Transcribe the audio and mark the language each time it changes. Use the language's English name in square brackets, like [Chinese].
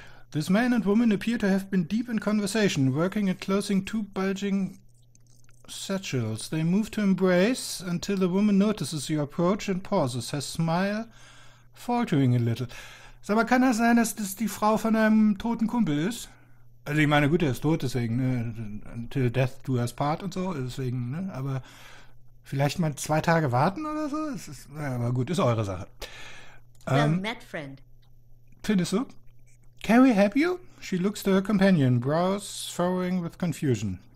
[English] This man and woman appear to have been deep in conversation, working at closing two bulging satchels. They move to embrace until the woman notices your approach and pauses, her smile faltering a little. [German] Sag mal, kann das sein, dass das die Frau von einem toten Kumpel ist? Also ich meine, gut, er ist tot, deswegen, ne? [English] Until death do us part [German] und so, deswegen, ne? Aber vielleicht mal zwei Tage warten oder so? Es ist, ja, aber gut, ist eure Sache. [English] Well met, friend. [German] Findest du? [English] Can we help you? She looks to her companion, brows furrowing with confusion.